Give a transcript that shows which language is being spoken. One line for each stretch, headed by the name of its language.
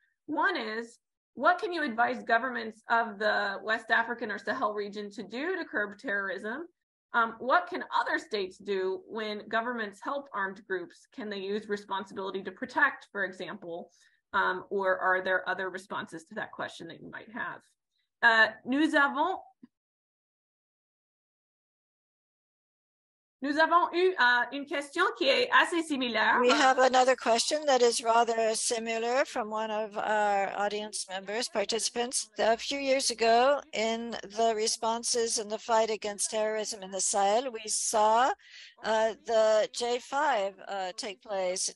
English: One is, what can you advise governments of the West African or Sahel region to do to curb terrorism? What can other states do when governments help armed groups? Can they use responsibility to protect, for example, or are there other responses to that question that you might have?
French: Nous avons eu une question qui est assez similaire.
English: We have another question that is rather similar from one of our audience members, participants. A few years ago, in the responses in the fight against terrorism in the Sahel, we saw the J5 take place.